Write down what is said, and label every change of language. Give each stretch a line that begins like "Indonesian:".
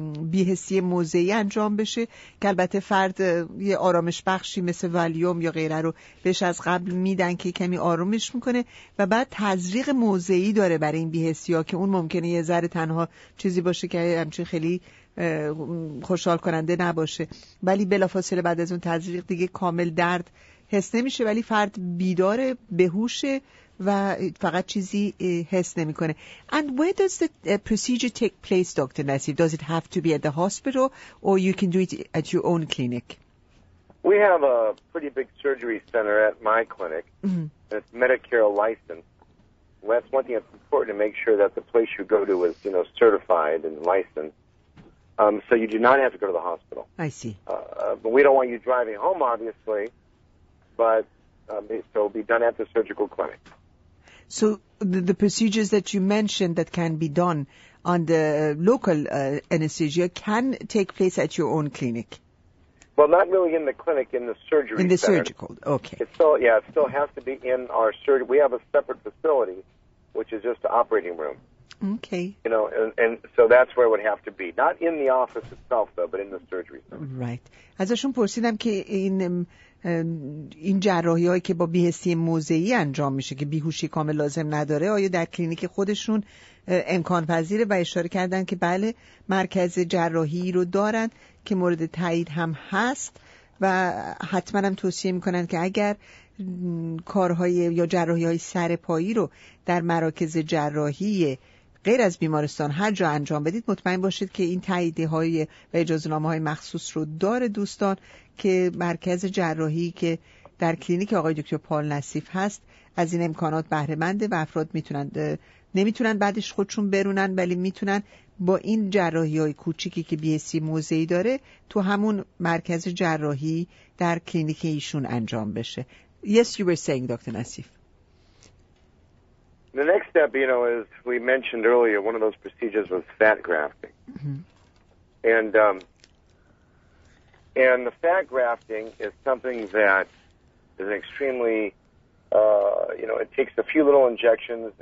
Persian: بی‌حسی موضعی انجام بشه که البته فرد یه آرامش بخشی مثل والیوم یا غیره رو بهش از قبل میدن که کمی آرامش میکنه، و بعد تزریق موضعی داره برای این بی‌حسی‌ها که اون ممکنه یه ذره تنها چیزی باشه که همچین خیلی خوشحال کننده نباشه، ولی بلافاصله بعد از اون تزریق دیگه کامل درد حس نمیشه، ولی فرد بیداره، بهوشه و فقط چیزی حس نمی کنه.
English: And where does the procedure take place, Dr. Nassif? Does it have to be at the hospital or you can do it at your own clinic? We have a pretty big surgery center at my clinic. Mm-hmm. It's Medicare licensed. Well, that's one thing that's important to make sure that the place you go to is, you know, certified and licensed. So you do not have to go to the hospital. I see. But we don't want you driving home, obviously. But so it'll be done at the surgical clinic. So the procedures that you mentioned that can be done on the local anesthesia can take place at your own clinic? Well, not really in the clinic, in the surgery In the center. Surgical, okay. It still has to be in our surgery. We have a separate facility, which is just the operating room. Okay. You know, and so that's where it would have to be. Not in the office itself, though, but in the surgery center. Right.
Persian: ازشون پرسیدم که این جراحی هایی که با بی‌حسی موضعی انجام میشه که بیهوشی کامل لازم نداره آیا در کلینیک خودشون امکان پذیره، و اشاره کردن که بله، مرکز جراحی رو دارن که مورد تایید هم هست و حتما هم توصیه میکنن که اگر کارهای یا جراحی های سرپایی رو در مراکز جراحی غیر از بیمارستان هر جا انجام بدید، مطمئن باشید که این تاییدیه های و اجازه نامه های مخصوص رو داره دوستان، که مرکز جراحی که در کلینیک آقای دکتر پال نصیف هست از این امکانات بهره منده و افراد میتونن نمیتونن بعدش خودشون برونن، ولی میتونن با این جراحی های کوچیکی که بی‌حسی موضعی داره تو همون مرکز جراحی در کلینیک ایشون انجام بشه.
English: Yes, you were saying, Dr. Nassif. The next step, you know, as we mentioned earlier, one of those procedures was fat grafting. Mm-hmm. And the fat grafting is something that is extremely, you know, it takes a few little injections.